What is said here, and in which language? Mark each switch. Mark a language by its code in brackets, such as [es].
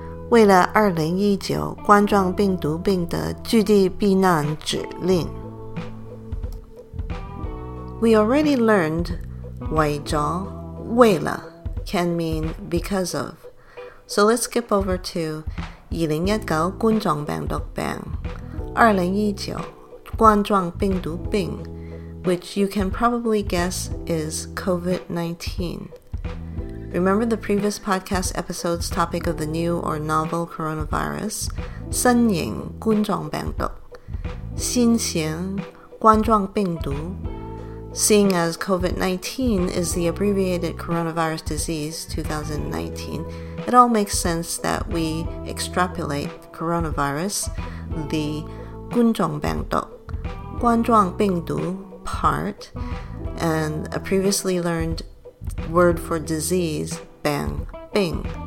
[zh] 为了2019冠状病毒病的就地避难指令 [en] We already learned [zh] 为了 [en] can mean because of. So let's skip over to [zh] 2019冠状病毒病 [en] which you can probably guess is COVID-19. Remember the previous podcast episode's topic of the new or novel coronavirus? [zh] 新型冠状病毒, 新型冠状病毒. [en] Seeing as COVID-19 is the abbreviated coronavirus disease 2019, it all makes sense that we extrapolate coronavirus, the [zh] 冠状病毒, 冠状病毒 [en] part, and a previously learned word for disease, [zh] 病, 病,